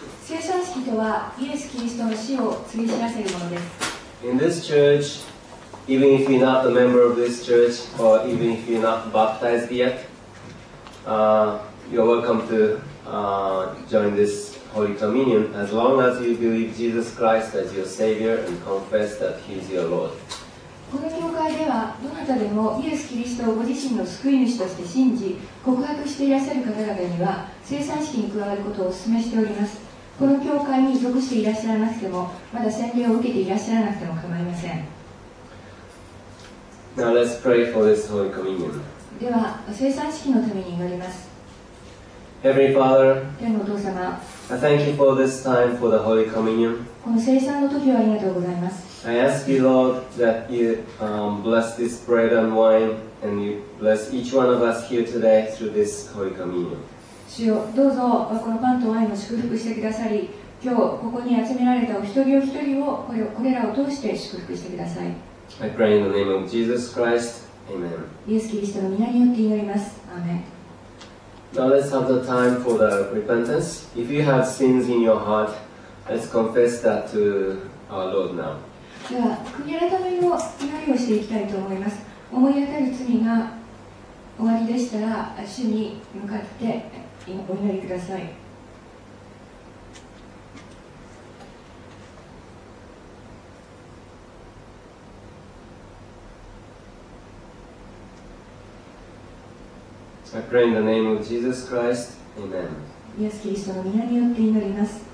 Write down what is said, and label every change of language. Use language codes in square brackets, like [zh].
[ja] 聖餐式とはイエス・キリストの死を告げ知らせるものです。 [en] In this church, even if you're not a member of this church, or even if you're not baptized yet, you're welcome to join this Holy Communion as long as you believe Jesus Christ as your Savior and confess that He is your Lord. [ja] この教会では、どなたでもイエス・キリストをご自身の救い主として信じ、告白していらっしゃる方々には、聖餐式に加わることをお勧めしております。この教会に属していらっしゃらなくても、まだ洗礼を受けていらっしゃらなくても構いません。 [en] Now let's pray for this Holy Communion. [ja] では、聖餐式のために祈ります。 [en] Heavenly Father, [ja] 天のお父様、 [en] I thank you for this time for the Holy Communion. [ja] この聖餐の時をありがとうございます。 [en] I ask you, Lord, that you bless this bread and wine, and you bless each one of us here today through this Holy Communion. [ja] 主よ、どうぞこのパンとワインを祝福してくださり、今日ここに集められたお一人お一人をこれらを通して祝福してください。 [en] I pray in the name of Jesus Christ. Amen. [ja] イエス・キリストの名によって祈ります。アーメン。 [en] Now let's have the time for the repentance. If you have sins in your heart, let's confess that to our Lord now. [ja] では、悔い改めの祈りをしていきたいと思います。思い当たる罪が終わりでしたら、主に向かってお祈りください。 [en] I pray in the name of Jesus Christ. Amen. [ja] イエス・キリストの名によって祈ります。